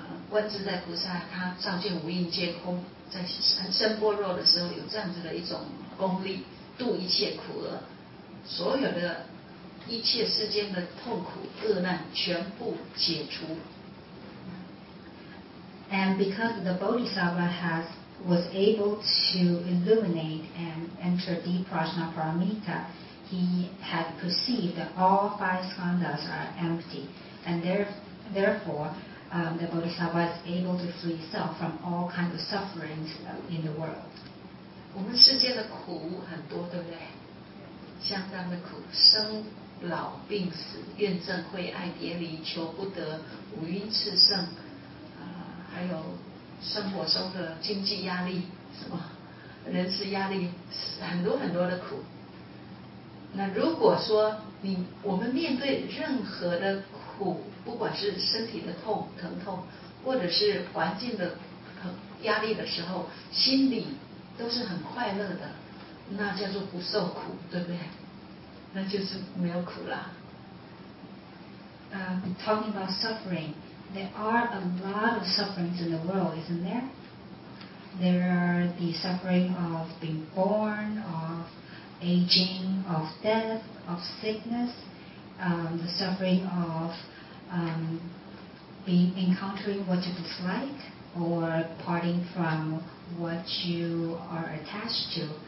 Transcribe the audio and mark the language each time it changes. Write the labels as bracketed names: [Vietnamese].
[Chinese] 万自在菩萨他照见五蕴皆空，在声般若的时候有这样子的一种功力，度一切苦厄，所有的一切世间的痛苦厄难全部解除。 [English] And because the Bodhisattva was able to illuminate and enter deep Prajnaparamita, he had perceived that all five skandhas are empty, and therefore the Bodhisattva is able to free itself from all kinds of sufferings in the world. [Chinese] 我们世界的苦很多，对不对？相当的苦，生老病死、怨憎会、爱别离、求不得、五蕴炽盛，还有生活中的经济压力、什么人事压力，很多很多的苦。那如果说我们面对任何的苦，不管是身体的痛、疼痛，或者是环境的压力的时候，心里都是很快乐的，那叫做不受苦，对不对？那就是没有苦了。 [English] Talking about suffering, there are a lot of sufferings in the world, isn't there? There are the suffering of being born, of aging, of death, of sickness, the suffering of encountering what you dislike or parting from what you are attached to.